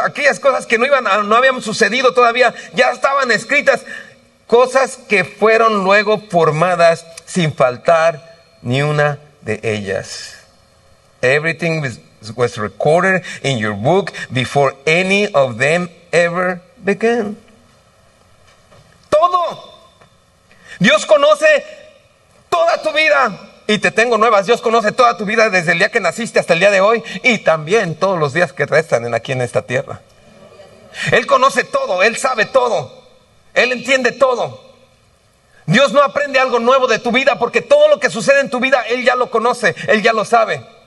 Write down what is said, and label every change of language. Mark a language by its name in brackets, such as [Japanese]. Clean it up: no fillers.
[Spanish] Aquellas cosas que no habían sucedido todavía, ya estaban escritas. Cosas que fueron luego formadas sin faltar ni una de ellas. [English] Everything was recorded in your book before any of them ever began. [Spanish] Todo. Dios conoce toda tu vida. Y te tengo nuevas. Dios conoce toda tu vida desde el día que naciste hasta el día de hoy. Y también todos los días que restan aquí en esta tierra. Él conoce todo. Él sabe todo. Él entiende todo. Dios no aprende algo nuevo de tu vida, porque todo lo que sucede en tu vida, Él ya lo conoce. Él ya lo sabe.